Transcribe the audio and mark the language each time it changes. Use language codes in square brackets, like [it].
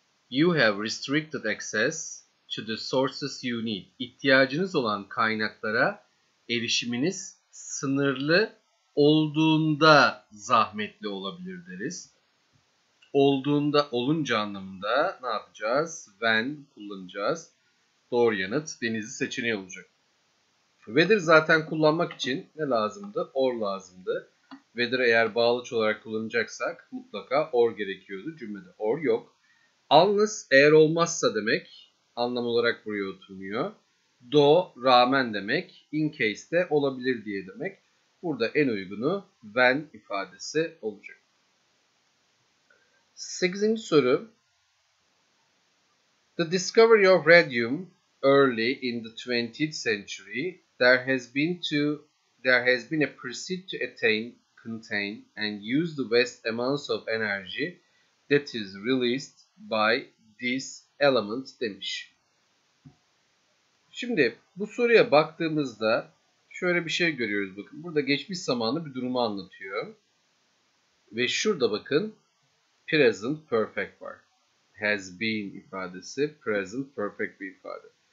[en] You have restricted access to the sources you need. [tr] İhtiyacınız olan kaynaklara erişiminiz sınırlı olduğunda zahmetli olabilir deriz. Olduğunda, olunca anlamında ne yapacağız? When kullanacağız. Doğru yanıt Denizli seçeneği olacak. Whether zaten kullanmak için ne lazımdı? Or lazımdı. Whether eğer bağlıç olarak kullanacaksak mutlaka or gerekiyordu. Cümlede or yok. Unless eğer olmazsa demek anlam olarak buraya oturmuyor. Do rağmen demek. In case de olabilir diye demek. Burada en uygunu when ifadesi olacak. Sekizinci soru. [en] The discovery of radium early in the 20th century there has been a pursuit to attain, contain and use the vast amounts of energy that is released by this element [tr] demiş. Şimdi bu soruya baktığımızda şöyle bir şey görüyoruz, bakın. Burada geçmiş zamanlı bir durumu anlatıyor. Ve şurada bakın present perfect var. Has been ifadesi present perfect bir ifade.